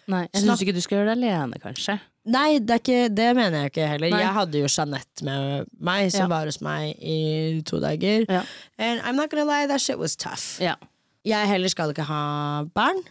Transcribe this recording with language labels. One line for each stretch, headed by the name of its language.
Norwegian: Nei, jeg synes ikke du skal gjøre det alene, kanskje. Nei, det ikke, det mener jeg ikke heller. Nei. Jeg hadde jo Jeanette med meg, som ja. Var hos meg i to dager. Ja.
English: And I'm not gonna lie, that shit was tough.
Norwegian: Ja. Jeg heller skal ikke ha barn.